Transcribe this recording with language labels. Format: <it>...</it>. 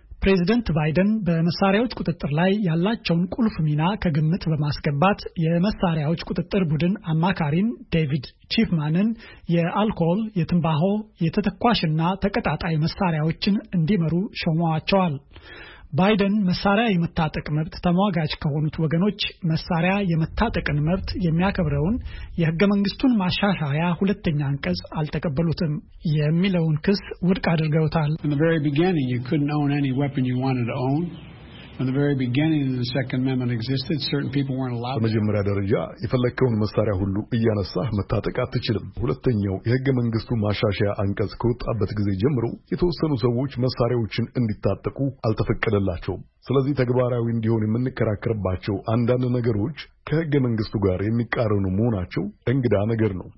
<am>ፕሬዝዳንት ባይደን በመሳሪያዎች ቁጥጥር ላይ ያላቸውን ቁልፍ ሚና ከግምት በማስገባት የመሳሪያዎች ቁጥጥር ቡድን አማካሪን ዴቪድ ቺፍማንን የአልኮል፣ የትንባሆ፣ የተተኳሽና ተቀጣጣይ መሳሪያዎችን እንዲመሩ ሾመዋቸዋል። ባይደን መሳሪያ የመታጠቅ መብት ተሟጋች ከሆኑት ወገኖች መሳሪያ የመታጠቅን መብት የሚያከብረውን የሕገ መንግስቱን ማሻሻያ ሁለተኛ አንቀጽ አልተቀበሉትም የሚለውን ክስ ውድቅ አድርገውታል።</am> <en>In the very beginning you couldn't own any weapon you wanted to own. In the very beginning the Second Amendment existed, certain people weren't allowed.</en> <am>በመጀመሪያ ደረጃ የፈለከውን መሳሪያ ሁሉ እያነሳህ መታጠቅ አትችልም። ሁለተኛው የሕገ መንግስቱ ማሻሻያ አንቀጽ ከወጣበት ጊዜ ጀምሮ የተወሰኑ ሰዎች መሳሪያዎችን እንዲታጠቁ አልተፈቀደላቸውም። ስለዚህ ተግባራዊ እንዲሆን የምንከራከርባቸው አንዳንድ ነገሮች ከህገ መንግስቱ ጋር የሚቃረኑ መሆናቸው እንግዳ ነገር ነው።</am>